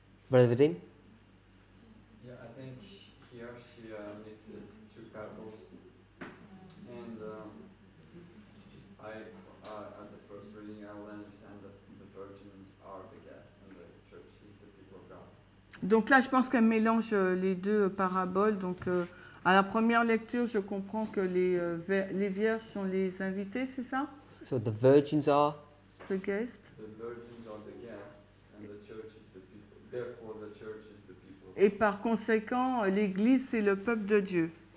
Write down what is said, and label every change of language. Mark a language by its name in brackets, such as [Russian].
[English] Brother Vadim? Yeah, I think here she mixes two parables. And at the first reading, I will understand that the virgins are the guests and the church is the people of God. [French] Donc là, je pense qu'elle mélange les deux paraboles. Donc à la première lecture, je comprends que les vierges sont les invités, c'est ça? [English] So the virgins are? The guests. The virgins are the guests and the church is the people. Therefore, the church is the people. [French] Et par conséquent, l'église, c'est le peuple de Dieu.